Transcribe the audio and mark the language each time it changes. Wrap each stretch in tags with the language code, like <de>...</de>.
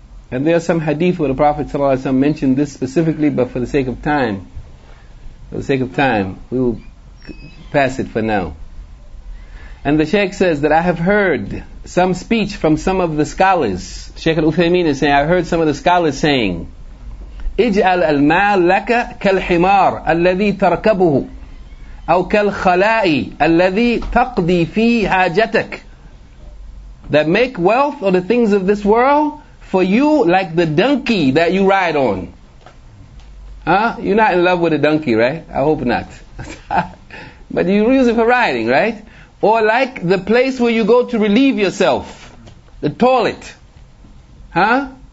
<en>And there are some hadith where the Prophet ﷺ mentioned this specifically, but for the sake of time, we will pass it for now. And the Shaykh says that I have heard some speech from some of the scholars. Shaykh al-Uthaymeen is saying, I heard some of the scholars saying,</en> <ar>اجعل المال لك كالحمار الذي تركبه أو كالخلاء الذي تقضي في حاجتك.</ar> <en>That make wealth or the things of this world for you like the donkey that you ride on. Huh? You're not in love with a donkey, right? I hope not. But you use it for riding, right? Or like the place where you go to relieve yourself, the toilet. Huh?</en>